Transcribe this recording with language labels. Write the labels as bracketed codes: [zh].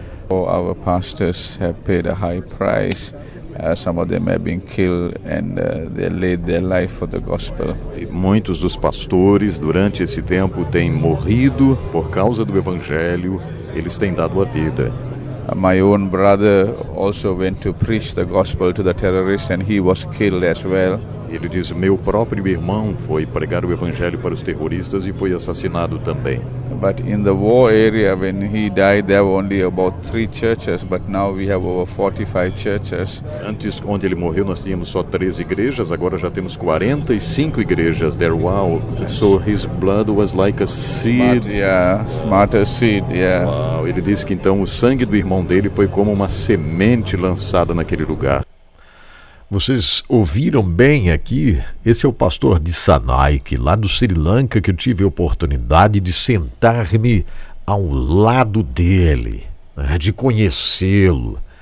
[en] Our pastors have paid a high price. Some of them have been killed and they laid their life for the gospel. [pt] Muitos dos pastores durante esse tempo têm morrido por causa do evangelho. Eles têm dado a vida. [en] My own brother also went to preach the gospel to the terrorists and he was killed as well. [pt] Ele diz, meu próprio irmão foi pregar o evangelho para os terroristas e foi assassinado também. [en] But in the war area when he died there were only about 3 churches, but now we have over 45 churches. [pt] Antes, onde ele morreu, nós tínhamos só 3 igrejas, agora já temos 45 igrejas there. [en] Wow. Yes. So his blood was like a seed. But, yeah, smarter seed, yeah. [pt] Wow. Ele disse que então o sangue do irmão dele foi como uma semente lançada naquele lugar. Vocês ouviram bem aqui? Esse é o pastor de Sanaik, lá do Sri Lanka, que eu tive a oportunidade de sentar-me ao lado dele, né, de conhecê-lo.